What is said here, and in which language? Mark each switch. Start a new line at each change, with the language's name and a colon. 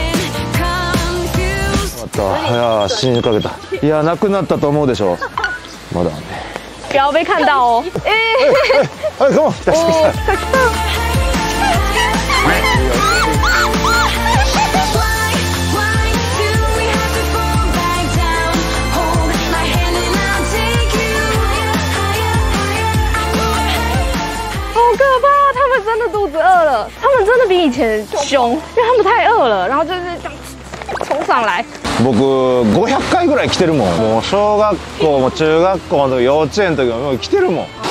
Japanese: また、いやー、死にかけた。いやー、なくなったと思うでしょ。まだね。
Chinese: 不要被看到哦。
Japanese: はい、カモン。来た来た。
Chinese: 他们真的肚子饿了，他们真的比以前凶，因为他们太饿了，然后就是这样冲上来。
Japanese: 僕500回ぐらい来てるもん。もう小学校も中学校の幼稚園の時も来てるもん。